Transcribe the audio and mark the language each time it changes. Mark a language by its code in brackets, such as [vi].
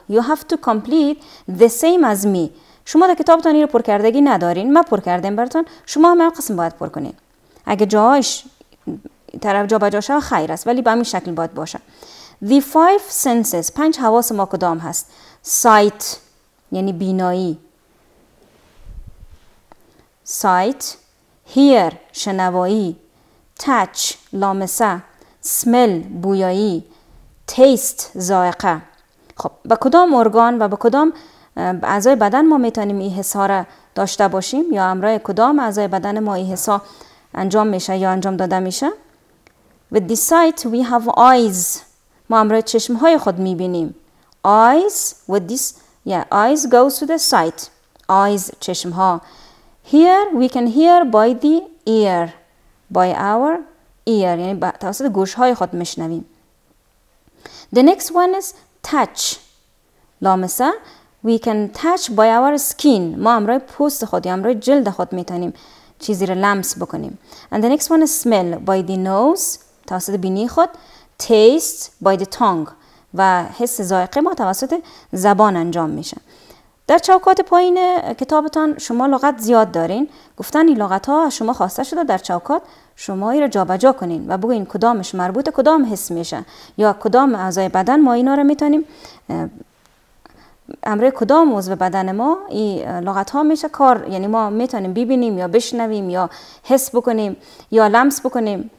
[en] You have to complete the same as me. [fa] شما در کتابتان این رو پر کردگی ندارین. من پر کردم براتون. شما هم این قسم باید پر کنین. اگه جاش طرف جا به جا شد خیر است. ولی به همین شکل باید باشه. [en] The five senses. [fa] پنج حواس ما کدام هست. Sight. یعنی بینایی. [en] Sight. Hear. شنوایی. Touch. لامسه. Smell. بویایی. Taste. ذائقه. [fa] خب به کدام ارگان و به کدام اعضای بدن ما میتونیم این حس ها را داشته باشیم یا امرای کدام اعضای بدن ما این حس ها انجام میشه یا انجام داده میشه؟ [en] With the sight we have eyes. [fa] ما امرای چشم های خود میبینیم. [en] Eyes with this eyes goes to the sight. Eyes چشم ها. Here we can hear by the ear. By our ear [fa] یعنی توسط گوش های خود میشنویم. [en] The next one is touch. لامسه. We can touch by our skin. [fa] ما امرای پوست خود یا امرای جلد خود میتونیم چیزی رو لمس بکنیم. [en] And the next one is smell by the nose. [fa] توسط بینی خود. [en] Taste by the tongue. [fa] و حس ذائقه ما توسط زبان انجام میشه. در چوکات پایین کتابتان شما لغت زیاد دارین. گفتن این لغت ها شما خواسته شده در چوکات شما ای را جابجا کنین و بگوین کدامش مربوط کدام حس میشه یا کدام اعضای بدن ما اینا رو میتونیم امره کدام عضو بدن ما این لغت ها میشه کار، یعنی ما میتونیم ببینیم یا بشنویم یا حس بکنیم یا لمس بکنیم.